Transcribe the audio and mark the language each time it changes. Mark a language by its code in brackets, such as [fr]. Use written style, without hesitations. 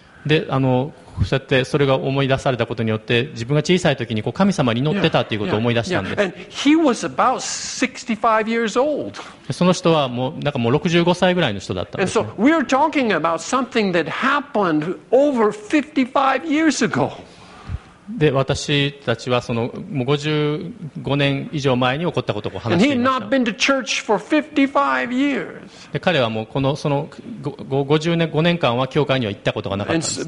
[ja] で、そうやってそれが思い出されたことによって自分が小さい時にこう神様に祈ってたということを思い出したんです。 [en] And he was about 65 years old. [ja] その人はもう65歳ぐらいの人だったんです。 [en] And so we're talking about something that happened over 55 years ago. [ja] で、私たちはそのもう55年以上前に起こったことを話していました。 [en] And he had not been to church for 55 years. [ja] で、彼はもうこのその50年5年間は教会には行ったことがなかったんです、